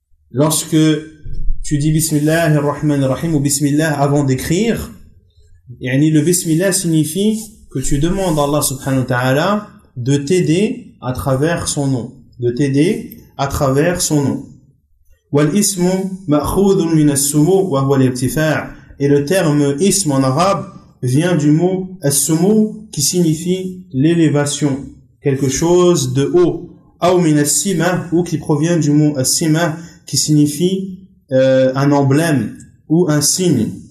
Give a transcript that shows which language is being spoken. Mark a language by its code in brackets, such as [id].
[fr] Lorsque tu dis Bismillah ar-Rahman ar-Rahim ou Bismillah avant d'écrire, le Bismillah signifie que tu demandes à Allah subhanahu wa ta'ala de t'aider à travers son nom. De t'aider à travers son nom. [ar] والاسم مأخوذ من السمو وهو الارتفاع. [fr] Et le terme ism en arabe vient du mot السمو qui signifie l'élévation, quelque chose de haut. [ar] أو من السمة [fr] ou qui provient du mot السمة qui signifie un emblème ou un signe.